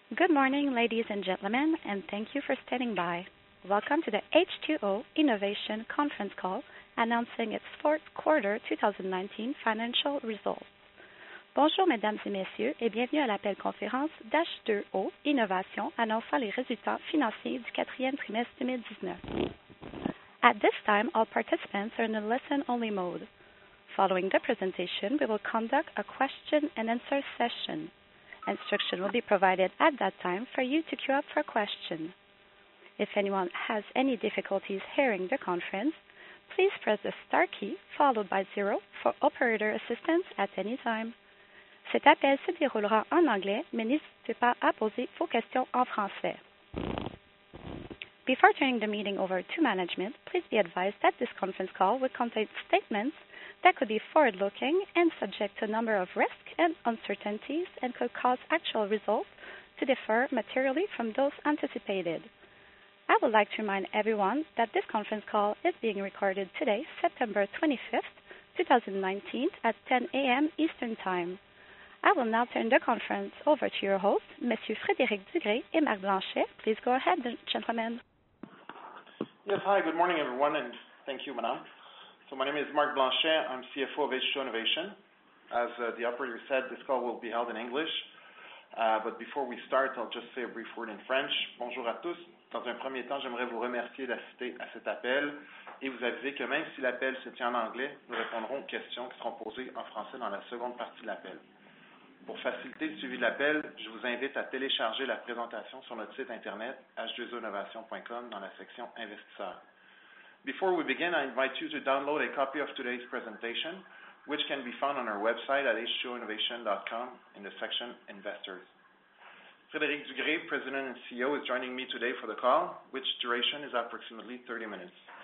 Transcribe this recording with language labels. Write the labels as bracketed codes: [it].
[en] Good morning, ladies and gentlemen, and thank you for standing by. Welcome to the H2O Innovation conference call announcing its fourth quarter 2019 financial results. [fr] Bonjour, mesdames et messieurs, et bienvenue à l'appel conférence d'H2O Innovation annonçant les résultats financiers du quatrième trimestre 2019. [en] At this time, all participants are in a listen-only mode. Following the presentation, we will conduct a question-and-answer session. Instruction will be provided at that time for you to queue up for questions. If anyone has any difficulties hearing the conference, please press the star key followed by zero for operator assistance at any time. [fr] Cet appel se déroulera en anglais, mais n'hésitez pas à poser vos questions en français. [en] Before turning the meeting over to management, please be advised that this conference call will contain statements that could be forward-looking and subject to a number of risks and uncertainties and could cause actual results to differ materially from those anticipated. I would like to remind everyone that this conference call is being recorded today, September 25th, 2019, at 10 a.m. Eastern Time. I will now turn the conference over to your host, Monsieur Frédéric Dugré et Marc Blanchet. Please go ahead, gentlemen. Yes, hi, good morning, everyone, and thank you, madame. So my name is Marc Blanchet. I'm CFO of H2O Innovation. As the operator said, this call will be held in English. But before we start, I'll just say a brief word in French. [fr] Bonjour à tous. Dans un premier temps, j'aimerais vous remercier d'assister à cet appel et vous aviser que même si l'appel se tient en anglais, nous répondrons aux questions qui seront posées en français dans la seconde partie de l'appel. Pour faciliter le suivi de l'appel, je vous invite à télécharger la présentation sur notre site internet h2oinnovation.com dans la section investisseurs. [en] Before we begin, I invite you to download a copy of today's presentation, which can be found on our website at h2oinnovation.com in the section investors. Frédéric Dugré, President and CEO, is joining me today for the call, which duration is approximately 30 minutes.